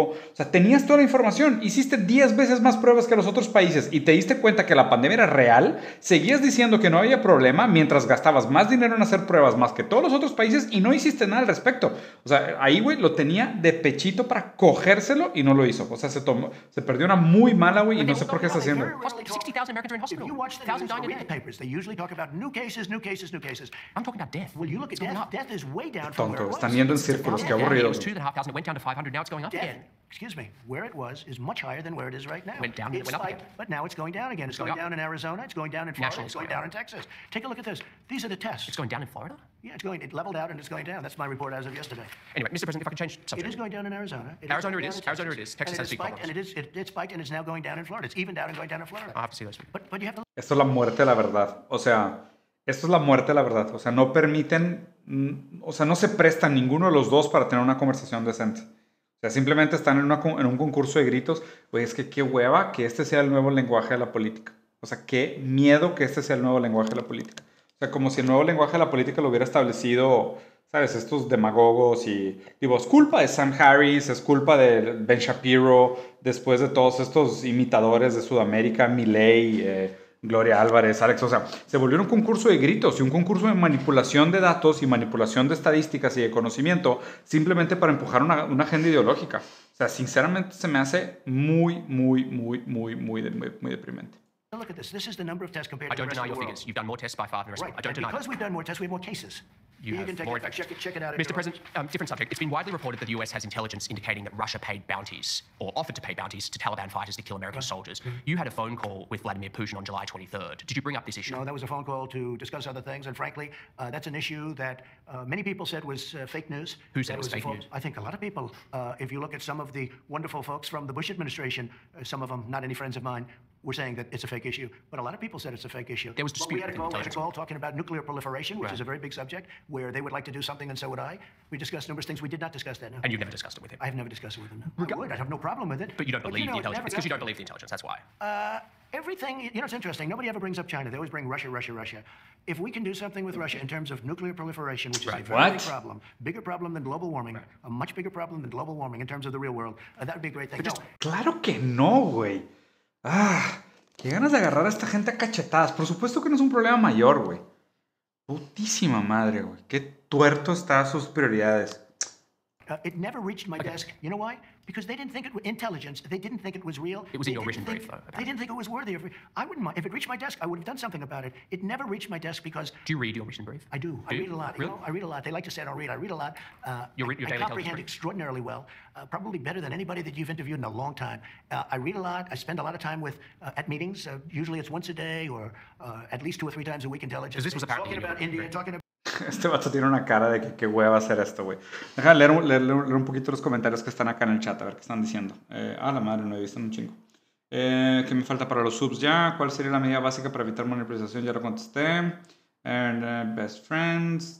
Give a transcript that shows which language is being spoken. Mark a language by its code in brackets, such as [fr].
[es] O sea, tenías toda la información. Hiciste 10 veces más pruebas que los otros países y te diste cuenta que la pandemia era real. Seguías diciendo que no había problema mientras gastabas más dinero en hacer pruebas más que todos los otros países y no hiciste nada al respecto. O sea, ahí, güey, lo tenía de pechito para cogérselo y no lo hizo. O sea, se perdió una muy mala, güey, y no sé por qué está haciendo. [en] 60,000 Americans are in hospital. dying read the papers. They usually talk about new cases, new cases, new cases. I'm talking about death. Will you look at death? Death is way down from where it was. [es] Están yendo en círculos. Qué aburrido. [en] It was 2,500. It went down to 500. Now it's going up again. Excuse me. Where it was is much higher than where it is right now. Went down and went up again. But now it's going down again. It's going down in Arizona. It's going down in Florida. It's going down in Texas. Take a look at this. These are the tests. It's going down in Florida? Yeah, it's going. It leveled out and it's going down. That's my report as of yesterday. Anyway, Mr. President, if I can change subject. It is going down in Arizona. Arizona it is. Arizona it is. Texas has spiked. And it spiked and it's now going down in Florida. It's even down and going down in Florida. I'll have to see this. But you have to. [es] Esto es la muerte de la verdad. O sea, esto es la muerte de la verdad. O sea, no permiten, o sea, no se prestan ninguno de los dos para tener una conversación decente. O sea, simplemente están en un concurso de gritos. Oye, es que qué hueva que este sea el nuevo lenguaje de la política. O sea, qué miedo que este sea el nuevo lenguaje de la política. O sea, como si el nuevo lenguaje de la política lo hubiera establecido, ¿sabes? Estos demagogos y... Digo, es culpa de Sam Harris, es culpa de Ben Shapiro, después de todos estos imitadores de Sudamérica, Milei, Gloria Álvarez, Alex, o sea, se volvió un concurso de gritos y un concurso de manipulación de datos y manipulación de estadísticas y de conocimiento simplemente para empujar una agenda ideológica. O sea, sinceramente se me hace muy, muy, muy, muy, muy, muy, muy deprimente. [en] Look at this. This is the number of tests compared to the rest of the world. I don't deny your figures. You've done more tests by far than the rest. Right. I don't deny. Because we've done more tests, we have more cases. You have more infections. Check it out. Mr. President, different subject. It's been widely reported that the U.S. has intelligence indicating that Russia paid bounties or offered to pay bounties to Taliban fighters to kill American soldiers. Mm-hmm. You had a phone call with Vladimir Putin on July 23rd. Did you bring up this issue? No, that was a phone call to discuss other things. And frankly, that's an issue that many people said was fake news. Who said it was fake news? I think a lot of people. If you look at some of the wonderful folks from the Bush administration, some of them, not any friends of mine, were saying that it's a fake issue. But a lot of people said it's a fake issue. There was dispute. We had a call, talking about nuclear proliferation, which is a very big subject. Where they would like to do something, and so would I. We discussed numerous things. We did not discuss that. No. And you've never discussed it with him. I have never discussed it with him. I would. I'd have no problem with it. But you don't believe the intelligence. It's because you don't believe the intelligence. That's why. Everything. You know, it's interesting. Nobody ever brings up China. They always bring Russia, Russia, Russia. If we can do something with Russia in terms of nuclear proliferation, which is a very big problem, bigger problem than global warming, a much bigger problem than global warming in terms of the real world, that would be a great thing. [es] No. Claro que no, güey. Ah, qué ganas de agarrar a esta gente a cachetadas. Por supuesto que no es un problema mayor, güey. Putísima madre, güey. Qué tuerto está sus prioridades. [en] It never reached my desk. You know why? Because they didn't think it was intelligence. They didn't think it was real. It was in your written brief, though. They didn't think it was worthy of. I wouldn't mind if it reached my desk. I would have done something about it. It never reached my desk because. Do you read your written brief? I do. I read a lot. Really? I read a lot. They like to say I don't read. I read a lot. Your daily. I comprehend extraordinarily well. Probably better than anybody that you've interviewed in a long time. I read a lot. I spend a lot of time with at meetings. Usually it's once a day or at least two or three times a week. Intelligence. This was talking about India. Talking about. [es] Este vato tiene una cara de que qué hueva va a ser esto, güey. Déjame leer un poquito los comentarios que están acá en el chat, a ver qué están diciendo. La madre, no he visto un chingo. ¿Qué me falta para los subs ya? ¿Cuál sería la medida básica para evitar monopolización? Ya lo contesté. [en] And, best friends.